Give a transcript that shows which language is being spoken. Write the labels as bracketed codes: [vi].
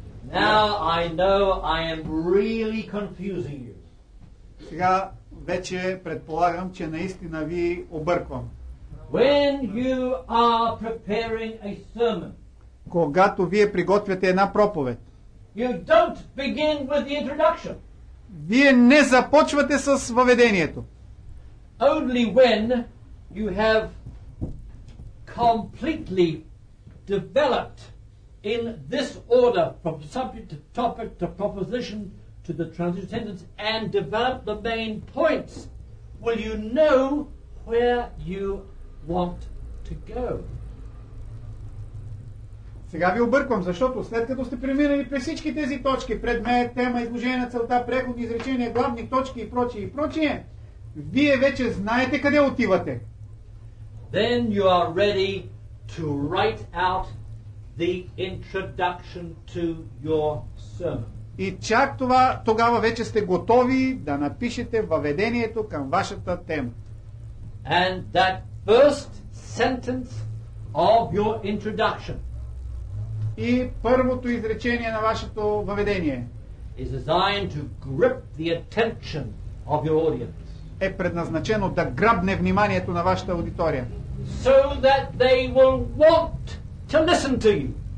[en] Now I know I am really confusing you. [bg] Сега вече предполагам, че наистина ви обърквам. [en] When you are preparing a sermon, [bg] когато вие приготвяте една проповед, [en] you don't begin with the introduction. [bg] Вие не започвате с въведението. [en] Only when you have completely developed in this order from subject to topic to proposition to the transitive sentence and developed the main points, will you know where you want to go. [bg] Сега ви обърквам, защото след като сте преминали през всички тези точки, предмет, тема, изложение на целта, преходни изречения, главни точки и прочие, вие вече знаете къде отивате. [en] Then you are ready to write out the introduction to your sermon. [bg] И чак това, тогава вече сте готови да напишете въведението към вашата тема. [en] And that first sentence of your introduction, [bg] и първото изречение на вашето въведение, [en] is designed to grip the attention of your audience, [bg] е предназначено да грабне вниманието на вашата аудитория, [en] so that they will want to listen to you,